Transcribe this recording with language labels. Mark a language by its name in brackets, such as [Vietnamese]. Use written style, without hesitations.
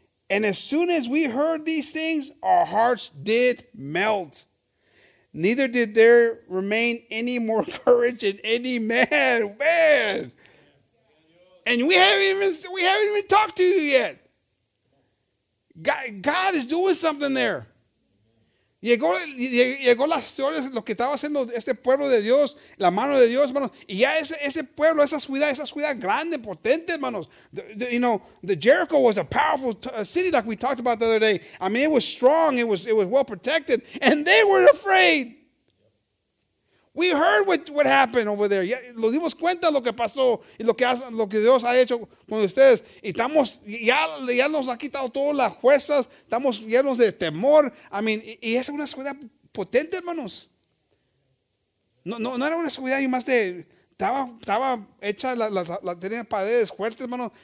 [English] And as soon as we heard these things, our hearts did melt. Neither did there remain any more courage in any man. Man. And we haven't even talked to you yet. God is doing something there. [Spanish] Llegó la historia, lo que estaba haciendo este pueblo de Dios, la mano de Dios, hermanos. Y ya ese pueblo, esa ciudad grande, potente, hermanos. [English] The Jericho was a powerful city like we talked about the other day. I mean, it was strong, it was well protected, and they were afraid. We heard what happened over there. [Spanish] Lo dimos cuenta lo que pasó y lo que Dios ha hecho con ustedes. Y estamos, ya nos ha quitado todas las fuerzas. Estamos llenos de temor. [English] I mean, [Spanish] y esa es una ciudad potente, hermanos. No era una ciudad y más de, estaba hecha, tenían paredes fuertes, hermanos.